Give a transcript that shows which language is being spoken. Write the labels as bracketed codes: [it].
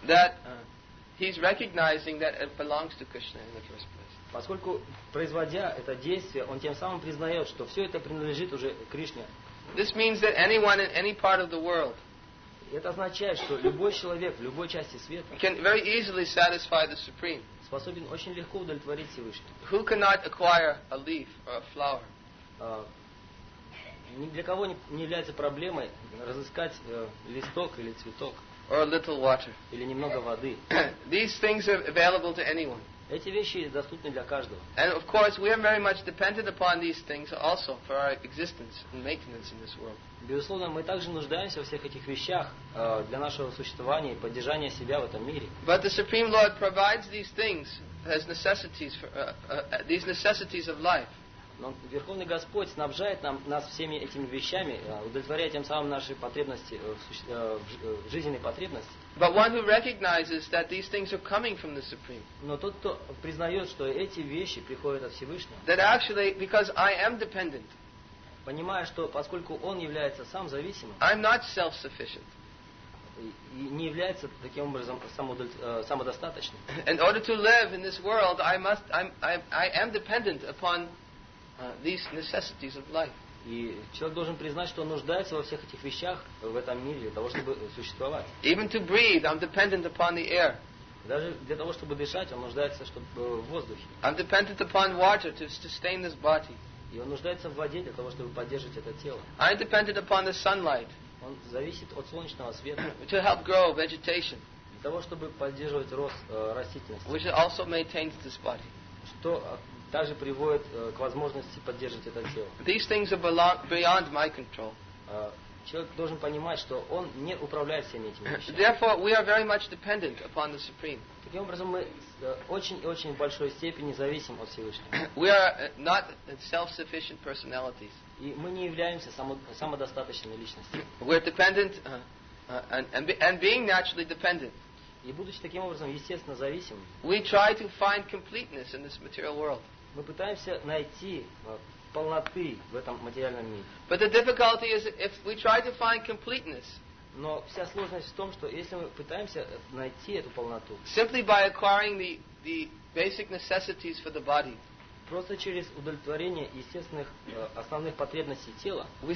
[en] That he's recognizing that it belongs to Krishna in the first place. [ru] Поскольку производя это действие, он тем самым признает, что все это принадлежит уже Кришне. [en] This means that anyone in any part of the world. [ru] Это означает, что любой человек в любой части света [en] can very easily satisfy the Supreme. [ru] Способен очень легко удовлетворить Всевышнего. [en] Who cannot acquire a leaf or a flower? [ru] Ни для кого не является проблемой разыскать листок или цветок. [en] Or a little water. [ru] Или немного воды. [en] These things are available to anyone. [ru] Эти вещи доступны для каждого. [en] And of course, we are very much dependent upon these things also for our existence and maintenance in this world. [ru] Безусловно, мы также нуждаемся во всех этих вещах для нашего существования и поддержания себя в этом мире. [en] But the Supreme Lord provides these things as necessities for these necessities of life. [ru] Но Верховный Господь снабжает нас всеми этими вещами, удовлетворяя тем самым наши потребности, жизненные потребности. [en] But one who recognizes that these things are coming from the Supreme. [ru] Но тот, кто признает, что эти вещи приходят от Всевышнего. [en] That actually, because I am dependent. [ru] Понимая, что поскольку он является сам зависимым. [en] I'm not self-sufficient. [ru] И не является таким образом самодостаточным. [en] In order to live in this world, I am dependent upon these necessities of life. [ru] И человек должен признать, что он нуждается во всех этих вещах в этом мире для того, чтобы существовать. [en] Even to breathe, I'm dependent upon the air. [ru] Даже для того, чтобы дышать, он нуждается, чтобы в воздухе. [en] I'm dependent upon water to sustain this body. [ru] И он нуждается в воде для того, чтобы поддерживать это тело. [en] I'm dependent upon the sunlight. [ru] Он зависит от солнечного света. [en] To help grow vegetation. [ru] Для того, чтобы поддерживать рост растительности. [en] Which also maintains this body. [ru] Что также приводит к возможности поддерживать это тело. [en] These things are beyond my control. [ru] Человек должен понимать, что он не управляет всеми этими вещами. [en] Therefore, we are very much dependent upon the Supreme. [ru] Таким образом, мы очень и очень в большой степени зависим от Всевышнего. [en] We are not self-sufficient personalities. [ru] И мы не являемся самодостаточными личностями. [en] We are dependent and being naturally dependent. [ru] И будучи таким образом естественно зависимым, [en] we try to find completeness in this material world. [ru] Мы пытаемся найти полноты в этом материальном мире. [en] But the difficulty is if we try to find completeness. [ru] Но вся сложность в том, что если мы пытаемся найти эту полноту, [en] simply by acquiring the basic necessities for the body, [ru] просто через удовлетворение естественных основных потребностей тела,